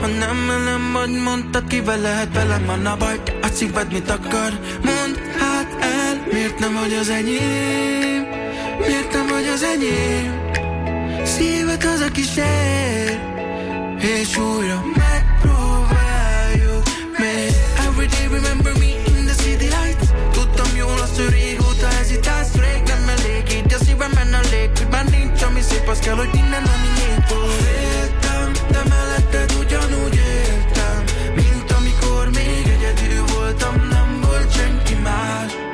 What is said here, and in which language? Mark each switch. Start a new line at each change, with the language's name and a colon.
Hungarian: Ha nem velem vagy, mondtad ki veled. Velem van a baj, te a szíved mit akar. Mondd hát el. Miért nem vagy az enyém? Miért nem vagy az enyém? Szíved az, aki sér. És újra megpróbáljuk még.
English: Every day remember me in the city lights.
Hungarian: Tudtam jól azt, hogy régóta hezitálsz. Rég nem elég, így a szívem enn a lég. Hogy már nincs ami szép, az kell, hogy minden, ami nyílt volt. Féltem, de melletted ugyanúgy éltem. Mint amikor még egyedül voltam. Nem volt senki más.